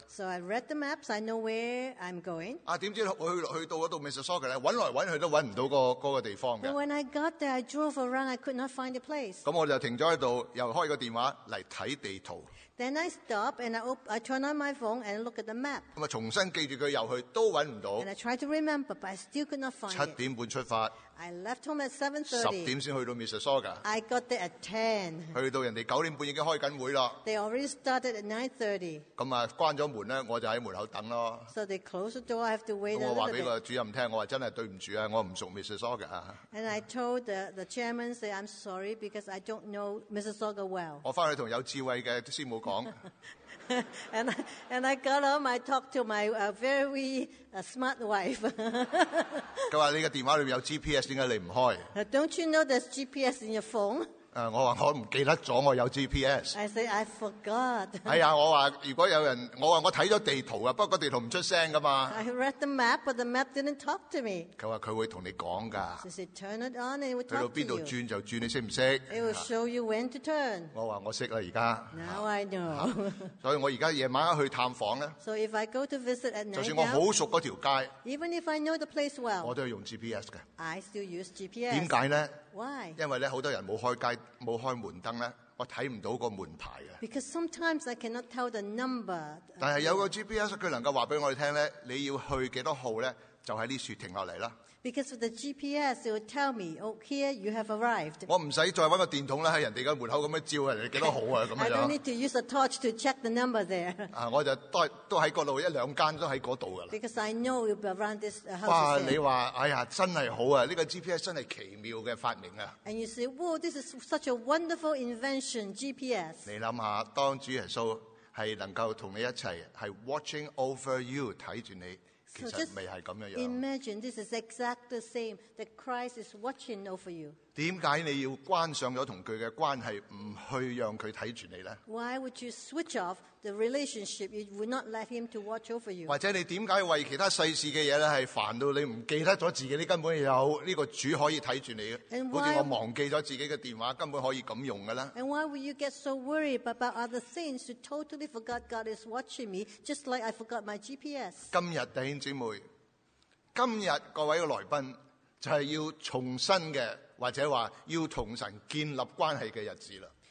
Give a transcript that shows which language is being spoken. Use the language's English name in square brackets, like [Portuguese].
[English] So I read the maps, I know where I'm going. [Cantonese] 啊，點知我去到嗰度 Mississauga 咧，揾來揾去都揾唔到個地方嘅。 [English] But when I got there, I drove around, I could not find the place. [Cantonese] 咁我就停咗喺度，又開個電話嚟睇地圖。 [English] Then I stop and I turn on my phone and look at the map. [Cantonese] 咁啊，重新記住佢又去都揾唔到。 [English] And I try to remember, but I still could not find it. [Cantonese] 七點半出發。 [English] I left home at 7:30. [Cantonese] 十點先去到 Mississauga. [English] I got there at 10. [Cantonese] 去到人哋九點半已經開緊會啦。 [English] They already started at 9:30. [Cantonese] 咁啊，關咗門咧，我就喺門口等咯。 [English] So they closed the door. I have to wait. [Cantonese] 咁我話俾個主任聽，我話真係對唔住啊，我唔熟 Mississauga. [English] And I told the chairman, say I'm sorry because I don't know Mississauga well. [Cantonese] 我翻去同有智慧嘅師母講。 [English] And I got home. I talked to my smart wife. [Cantonese] 佢話你嘅電話裏面有 GPS， 點解你唔開 [English] ？Don't you know there's GPS in your phone？ [Cantonese] 我話我唔記得咗我有 GPS。 [English] I say I forgot。 [Cantonese] 係啊，我話如果有人，我話我睇咗地圖啊，不過地圖唔出聲噶嘛。 [English] I read the map, but the map didn't talk to me。 [Cantonese] 佢話佢會同你講㗎。 [English] She said turn it on and it will talk to [Cantonese] you。去到邊度轉就轉，你識唔識 [English] ？It will show you when to turn。 [Cantonese] 我話我識啦，而家。 [English] Now I know。 [Cantonese] 所以我而家夜晚去探訪咧。 [English] So if I go to visit at night, [Cantonese] 就算我好熟嗰條街 [English] ，even if I know the place well， [Cantonese] 我都要用 GPS 嘅。 [English] I still use GPS。 [Cantonese] 點解咧？ [English] Why? [Cantonese] 因為咧，好多人冇開街冇開門燈咧，我睇唔到個門牌嘅。 [English] Because sometimes I cannot tell the number. [Cantonese] 但係有個 GPS， 佢能夠話俾我哋聽咧，你要去幾多號咧，就喺呢處停落嚟啦。 [English] Because with the GPS, it will tell me, "Oh, here you have arrived." [Cantonese] 我唔使再揾個電筒咧，喺人哋嘅門口咁樣照人哋幾多號啊，咁樣。 [English] I don't need to use a torch to check the number there. [Cantonese] 啊，我就都喺嗰度一兩間都喺嗰度噶啦。 [English] Because I know you'll be around this house. [Cantonese] 哇，你話，哎呀，真係好啊！呢個 GPS 真係奇妙嘅發明啊 [English] ！And you say, "Whoa, this is such a wonderful invention, GPS." [Cantonese] 你諗下，當主耶穌係能夠同你一齊係 [English] watching over you， [Cantonese] 睇住你。 [English] So just imagine this is exactly the same that Christ is watching over you. [Cantonese] 點解你要關上咗同佢嘅關係，唔去讓佢睇住你咧 [English] ？Why would you switch off the relationship? You would not let him to watch over you. [Cantonese] 或者你點解為其他世事嘅嘢咧係煩到你唔記得咗自己？你根本有呢個主可以睇住你嘅。好似我忘記咗自己嘅電話，根本可以咁用嘅啦。 [English] And why would you get so worried about other things? You totally forgot God is watching me, just like I forgot my GPS. [Cantonese] 今日弟兄姊妹，今日各位嘅來賓就係要重新嘅。或者話要同神建立關係嘅日子啦。